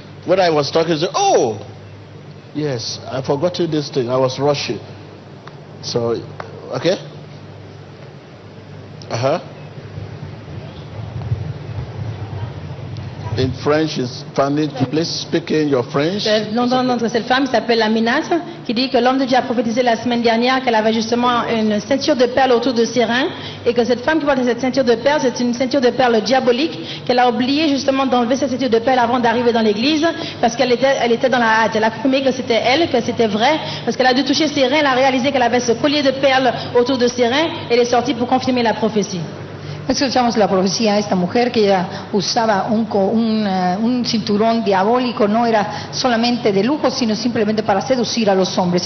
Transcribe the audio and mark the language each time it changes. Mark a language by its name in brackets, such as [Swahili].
[English] When I was talking, she said, oh, yes, I forgot this thing. I was rushing. So, okay. In French, in Spanish, please speak in your French. [French] Non, notre seule femme s'appelle Aminat, qui dit que l'homme de Dieu a prophétisé la semaine dernière qu'elle avait justement une ceinture de perles autour de ses reins, et que cette femme qui porte cette ceinture de perles, c'est une ceinture de perles diabolique, qu'elle a oublié justement d'enlever cette ceinture de perles avant d'arriver dans l'église, parce qu'elle était dans la hâte. Elle a confirmé que c'était elle, que c'était vrai, parce qu'elle a dû toucher ses reins, elle a réalisé qu'elle avait ce collier de perles autour de ses reins, et elle est sortie pour confirmer la prophétie. [Spanish] Escuchamos la profecía de esta mujer que ella usaba un cinturón diabólico, no era solamente de lujo, sino simplemente para seducir a los hombres.